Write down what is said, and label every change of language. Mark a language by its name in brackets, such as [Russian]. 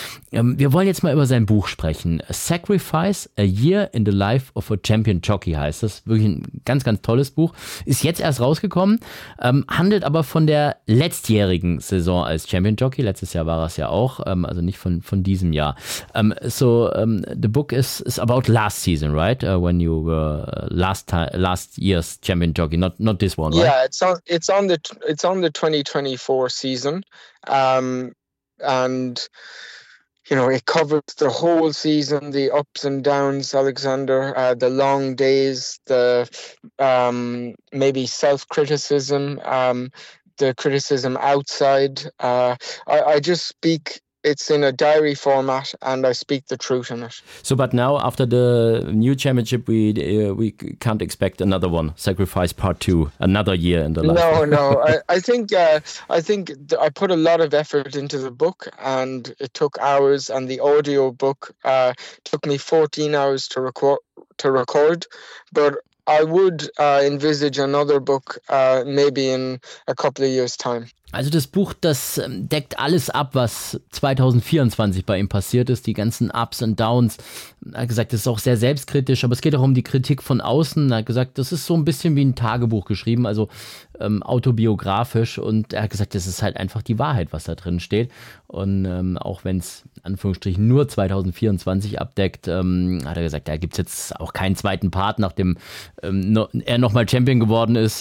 [German] Wir wollen jetzt mal über sein Buch sprechen. Sacrifice, A Year in the Life of a Champion Jockey heißt das. Wirklich ein ganz, ganz tolles Buch. Ist jetzt erst rausgekommen, handelt aber von der letztjährigen Saison als Champion Jockey. Letztes Jahr war es ja auch, also nicht von diesem Jahr. [English] The book is about last season, right? When you were last year's Champion Jockey, not this one, right? Yeah, it's on the 2024 season. It covers the whole season, the ups and downs, Alexander, the long days, the maybe self-criticism, the criticism outside. I just speak It's in a diary format, and I speak the truth in it. So, but now after the new championship, we can't expect another one. Sacrifice Part 2, another year in the life. No. I think I put a lot of effort into the book, and it took hours. And the audio book took me 14 hours to record, but I would envisage another book maybe in a couple of years' time. [German] Also das Buch, das deckt alles ab, was 2024 bei ihm passiert ist, die ganzen Ups und Downs. Er hat gesagt, das ist auch sehr selbstkritisch, aber es geht auch um die Kritik von außen. Er hat gesagt, das ist so ein bisschen wie ein Tagebuch geschrieben, also autobiografisch. Und er hat gesagt, das ist halt einfach die Wahrheit, was da drin steht. Und auch wenn es, Anführungsstrichen, nur 2024 abdeckt, hat er gesagt, da gibt es jetzt auch keinen zweiten Part, nachdem er nochmal Champion geworden ist.